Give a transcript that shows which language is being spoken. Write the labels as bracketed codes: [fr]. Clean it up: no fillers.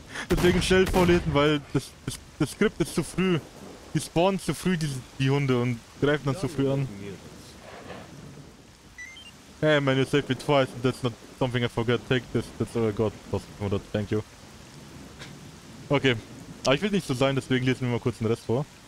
[de] Deswegen schnell vorlesen, weil das Skript ist zu früh. Die spawnen zu früh, die Hunde, und greifen dann zu früh an. [en] Hey man, you saved me twice, and that's not something I forgot. Take this, that's all I got. Thank you. Okay. [de] Aber ich will nicht so sein, deswegen lesen wir mal kurz den Rest vor.